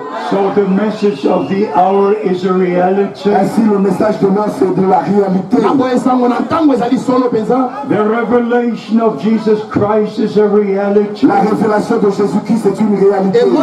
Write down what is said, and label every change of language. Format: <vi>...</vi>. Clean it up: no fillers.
<en>So the message of the hour is a reality.</en> <fr>Ainsi le message de l'heure c'est de la réalité.</fr> <en>The revelation of Jesus Christ is a reality.</en> <fr>La révélation de Jésus-Christ est une réalité.</fr>